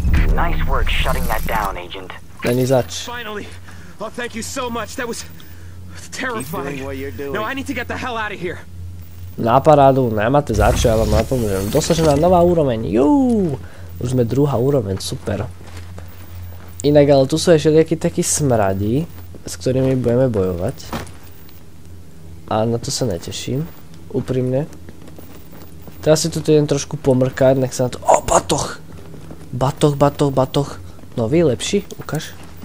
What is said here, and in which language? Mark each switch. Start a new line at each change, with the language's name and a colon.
English: Nice work shutting that down, agent.
Czech: Není zač.
English: Oh, thank you so much. That was terrifying. Keep doing what you're doing. No, I need to get the hell out of here.
Slovak: Na parádu, nemáte za čo, ja vám napomôžem.
Czech: Dosažená nová úroveň,
Slovak: juuu. Už sme druhá úroveň, super. Inak, ale tu sú ešte nejakí takí smradí, s ktorými budeme bojovať. A na to sa neteším, úprimne. Teraz si tu idem trošku pomrkať, nech sa na to... O, batoh! Batoh. Nový, lepší, ukáž.